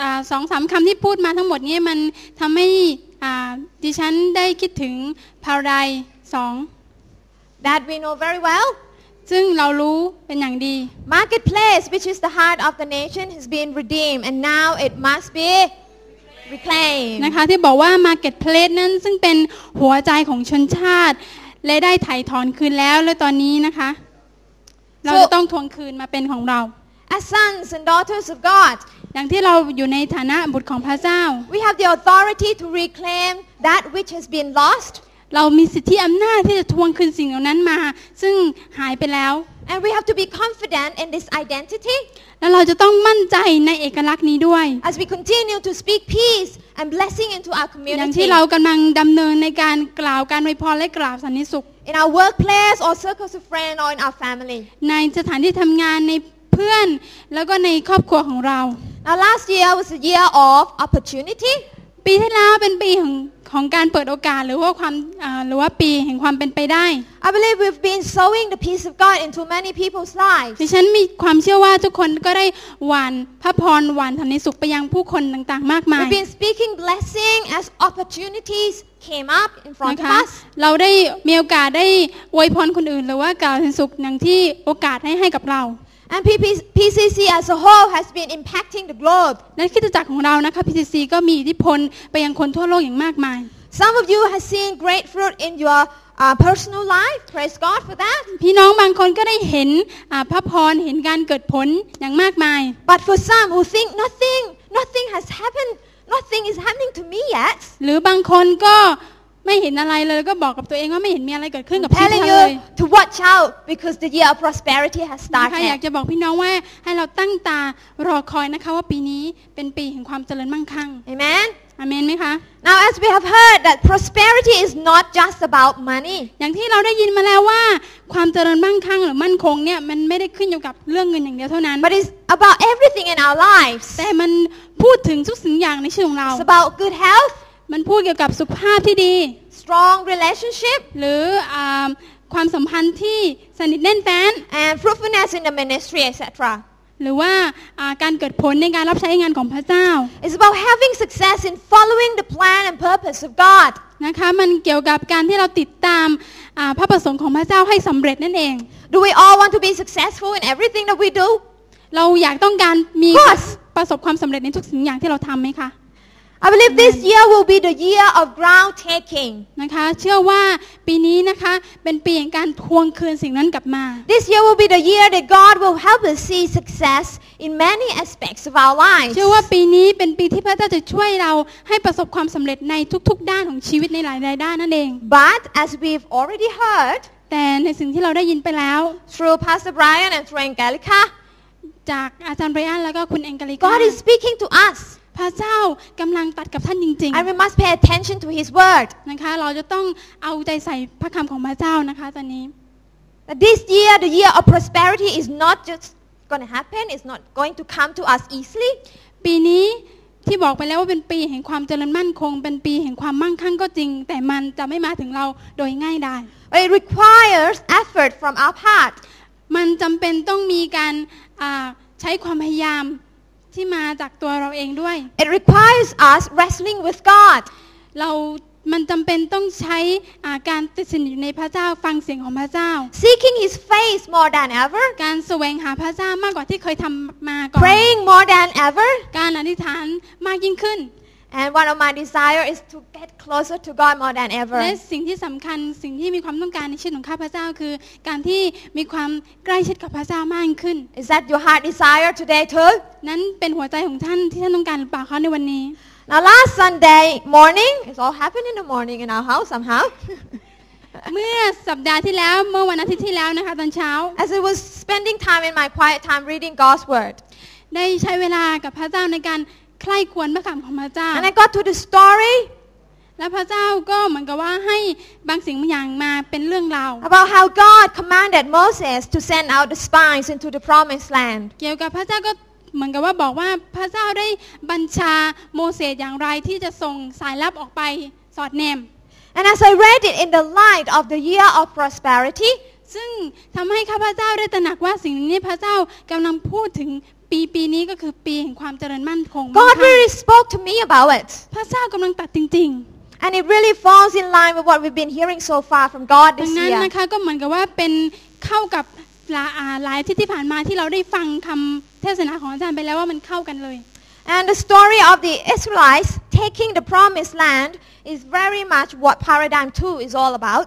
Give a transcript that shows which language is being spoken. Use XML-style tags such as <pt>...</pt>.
<th>สองสามคำที่พูดมาทั้งหมดนี้มันทำให้ดิฉันได้คิดถึง paradigm 2</th> <en>That we know very well.</en> <th>ซึ่งเรารู้เป็นอย่างดี</th> <en>Marketplace, which is the heart of the nation, has been redeemed, and now it must be reclaimed.</en> <th>นะคะที่บอกว่า marketplace นั้นซึ่งเป็นหัวใจของชนชาติและได้ไถ่ถอนคืนแล้วตอนนี้นะคะเราต้องทวงคืนมาเป็นของเรา</th> <en>As sons and daughters of God,</en> <th>อย่างที่เราอยู่ในฐานะบุตรของพระเจ้า</th> <en>We have the authority to reclaim that which has been lost.</en> <th>เรามีสิทธิอำนาจที่จะทวงคืนสิ่งเหล่านั้นมาซึ่งหายไปแล้ว</th> <en>And we have to be confident in this identity</en> <th>แล้วเราจะต้องมั่นใจในเอกลักษณ์นี้ด้วย</th> <en>As we continue to speak peace and blessing into our community</en> <th>อย่างที่เรากำลังดำเนินในการกล่าวการอวยพรและกล่าวสันติสุข</th> <en>In our workplace or circles of friends or in our family</en> <th>ในสถานที่ทำงานในเพื่อนแล้วก็ในครอบครัวของเรา</th> <en>Now last year was a year of opportunity</en> <th>ปีที่แล้วเป็นปีของการเปิดโอกาสหรือว่าความหรือว่าปีแห่งความเป็นไปได้</th> <en>I believe we've been sowing the peace of God into many people's lives</en> <th>ดิฉันมีความเชื่อว่าทุกคนก็ได้หว่านพระพรหว่านสันติสุขไปยังผู้คนต่างๆมากมาย</th> <en>We've been speaking blessing as opportunities came up in front of us</en> <th>เราได้มีโอกาสได้อวยพรคนอื่นหรือว่ากล่าวสันติสุขดังที่โอกาสให้กับเรา</th> <en>And PCC as a whole has been impacting the globe.</en> <th>นักคิดจักรของเรานะคะ PCC ก็มีอิทธิพลไปยังคนทั่วโลกอย่างมากมาย</th> <en>Some of you have seen great fruit in your personal life. Praise God for that.</en> <th>พี่น้องบางคนก็ได้เห็นพระพรเห็นการเกิดผลอย่างมากมาย</th> <en>But for some who think nothing has happened, nothing is happening to me yet.</en> <th>หรือบางคนก็ไม่เห็นอะไรเลยก็บอกกับตัวเองว่าไม่เห็นมีอะไรเกิดขึ้นกับพี่เลย</th> <en>To watch out because the year of prosperity has started.</en> <th>อยากจะบอกพี่น้องว่าให้เราตั้งตารอคอยนะคะว่าปีนี้เป็นปีแห่งความเจริญมั่งคั่ง</th> <en>Amen.</en> <th>Amen ไหมคะ</th> <en>Now as we have heard that prosperity is not just about money.</en> <th>อย่างที่เราได้ยินมาแล้วว่าความเจริญมั่งคั่งหรือมั่นคงเนี่ยมันไม่ได้ขึ้นอยู่กับเรื่องเงินอย่างเดียวเท่านั้น</th> <en>But it's about everything in our lives.</en> <th>แต่มันพูดถึงทุกสิ่งอย่างในชีวิตของเรา</th> <en>It's about good health</en> <th>มันพูดเกี่ยวกับสุขภาพที่ดี</th> <en>strong relationship</en> <th>หรือความสัมพันธ์ที่สนิทแน่นแฟน</th> <en>and fruitfulness in the ministry etc</en> <th>หรือว่าการเกิดผลในการรับใช้งานของพระเจ้า</th> <en>It's about having success in following the plan and purpose of God</en> <th>นะคะมันเกี่ยวกับการที่เราติดตามพระประสงค์ของพระเจ้าให้สำเร็จนั่นเอง</th> <en>Do we all want to be successful in everything that we do</en> <th>เราอยากต้องการมีประสบความสำเร็จในทุกสิ่งอย่างที่เราทำไหมคะ</th> <en>I believe this year will be the year of ground taking.</en> <th>นะคะเชื่อว่าปีนี้นะคะเป็นปีแห่งการทวงคืนสิ่งนั้นกลับมา</th> <en>This year will be the year that God will help us see success in many aspects of our lives.</en> <th>เชื่อว่าปีนี้เป็นปีที่พระเจ้าจะช่วยเราให้ประสบความสำเร็จในทุกๆด้านของชีวิตในหลายๆด้านนั่นเอง</th> <en>But as we've already heard,</en> <th>แต่ในสิ่งที่เราได้ยินไปแล้ว</th> <en>through Pastor Brian and through Angelica,</en> <th>จากอาจารย์ Brian แล้วก็คุณ Angelica,</th> <en>God is speaking to us.</en> <th>พระเจ้ากำลังตัดกับท่านจริง</th> <en>ๆ And we must pay attention to his word</en> <th>นะคะเราจะต้องเอาใจใส่พระคำของพระเจ้านะคะตอนนี้</th> <en>That this year the year of prosperity is not just going to happen it's not going to come to us easily</en> <th>ปีนี้ที่บอกไปแล้วว่าเป็นปีแห่งความเจริญมั่นคงเป็นปีแห่งความมั่งคั่งก็จริงแต่มันจะไม่มาถึงเราโดยง่ายดาย</th> <en>But it requires effort from our part</en> <th>มันจำเป็นต้องมีการใช้ความพยายามที่มาจากตัวเราเองด้วย</th> <en>It requires us wrestling with God</en> <th>เรามันจำเป็นต้องใช้การติดสินอยู่ในพระเจ้าฟังเสียงของพระเจ้า</th> <en>Seeking His face more than ever</en> <th>การแสวงหาพระเจ้ามากกว่าที่เคยทำมาก่อน</th> <en>Praying more than ever</en> <th>การอธิษฐานมากยิ่งขึ้น</th> <en>And one of my desire is to get closer to God more than ever</en> <th>และสิ่งที่สำคัญสิ่งที่มีความต้องการในชีวิตของข้าพเจ้าคือการที่มีความใกล้ชิดกับพระเจ้ามากขึ้น</th> <en>Is that your heart desire today too?</en> <th>นั้นเป็นหัวใจของท่านที่ท่านต้องการหรือเปล่าคะในวันนี้</th> <en>Now last Sunday morning it's all happened in the morning in our house somehow</en> <th>เมื่อสัปดาห์ที่แล้วเมื่อวันอาทิตย์ที่แล้วนะคะตอนเช้า</th> <en>As I was spending time in my quiet time reading God's word</en> <th>ได้ใช้เวลากับพระเจ้าในการใคร่ควรพระคำของพระเจ้า</th> <en>And I got to the story</en> <th>และพระเจ้าก็เหมือนกับว่าให้บางสิ่งบางอย่างมาเป็นเรื่องราว</th> <en>About how God commanded Moses to send out the spies into the promised land</en> <th>เกี่ยวกับพระเจ้าก็เหมือนกับว่าบอกว่าพระเจ้าได้บัญชาโมเสสอย่างไรที่จะส่งสายลับออกไปสอดแนม</th> <en>And as I read it in the light of the year of prosperity</en> <th>ซึ่งทำให้ข้าพเจ้าได้ตระหนักว่าสิ่งนี้พระเจ้ากำลังพูดถึงปีนี้ก็คือปีแห่งความเจริญมั่นคง</th> <en>God really spoke to me about it</en> <th>พระเจ้ากำลังตัดจริง</th> <en>ๆ And it really falls in line with what we've been hearing so far from God this year</en> <th>ดังนั้นนะคะก็เหมือนกับว่าเป็นเข้ากับหลายที่ที่ผ่านมาที่เราได้ฟังคำเทศนาของอาจารย์ไปแล้วว่ามันเข้ากันเลย</th> <en>And the story of the Israelites taking the promised land is very much what paradigm 2 is all about</en>